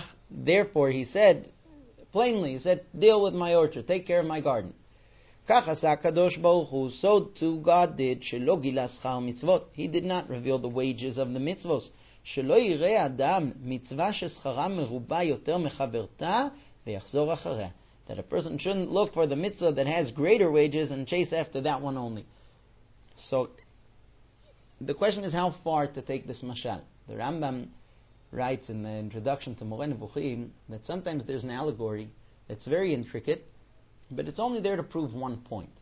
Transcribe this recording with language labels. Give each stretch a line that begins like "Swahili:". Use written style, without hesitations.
English: Therefore, he said, plainly, he said, deal with my orchard, take care of my garden.
Hebrew: כך עשה הקדוש ברוך הוא,
English: so to God did,
Hebrew: שלא גילה שכר מצוות.
English: He did not reveal the wages of the mitzvot.
Hebrew: שלא יראה אדם מצווה ששכרה מרובה יותר מחברתה, ויחזור אחריה.
English: That a person shouldn't look for the mitzvah that has greater wages and chase after that one only. So, the question is how far to take this mashal. The Rambam writes in the introduction to Moreh Nevuchim that sometimes there's an allegory that's very intricate, but it's only there to prove one point.